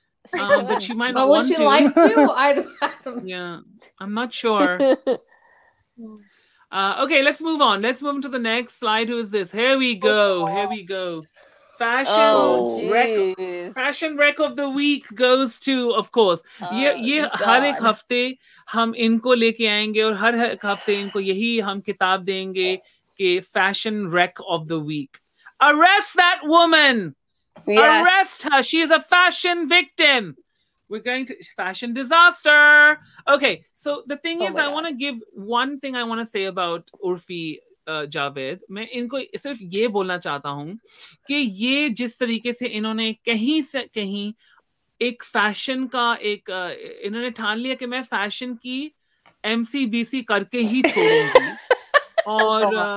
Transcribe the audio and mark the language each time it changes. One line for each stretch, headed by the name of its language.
English: But she might not want to. But would she like to? Yeah, I'm not sure. Okay, let's move on. Let's move on to the next slide. Who is this? Here we go. Fashion, fashion wreck of the week goes to, of course.
Hindi: ये हर एक हफ्ते हम इनको लेके आएंगे और हर हफ्ते इनको यही हम किताब देंगे कि
English: fashion wreck of the week. Arrest that woman. Yes. Arrest her. She is a fashion victim. We're going to fashion disaster. Okay. So the thing is, I want to give one thing I want to say about Urfi
Hindi: Javed, मैं इनको सिर्फ ये बोलना चाहता हूँ कि ये जिस तरीके से इन्होंने कहीं से कहीं एक फैशन का एक इन्होंने ठान लिया कि मैं फैशन की MCBC करके ही छोड़ूंगी और